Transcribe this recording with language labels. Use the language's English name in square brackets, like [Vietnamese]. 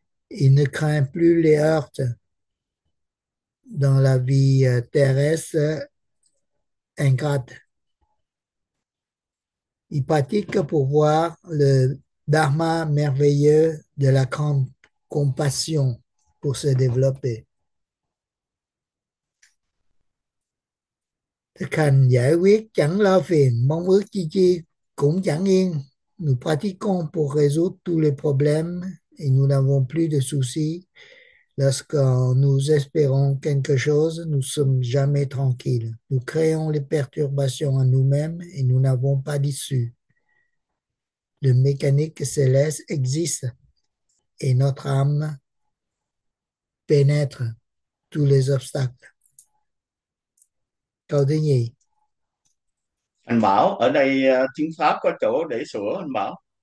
[French] Il ne craint plus les heurts dans la vie terrestre ingrate. Il pratique pour voir le Dharma merveilleux de la grande compassion pour se développer. [Vietnamese] Thực hành giải quyết chẳng lo phiền, mong ước chi chi cũng chẳng yên. [French] Nous pratiquons pour résoudre tous les problèmes et nous n'avons plus de soucis. Lorsque nous espérons quelque chose, nous ne sommes jamais tranquilles. Nous créons les perturbations en nous-mêmes et nous n'avons pas d'issue. La mécanique céleste existe et notre âme pénètre tous les obstacles. [Vietnamese] Câu thứ nhì. Anh bảo ở đây tiếng Pháp có chỗ để sửa, anh bảo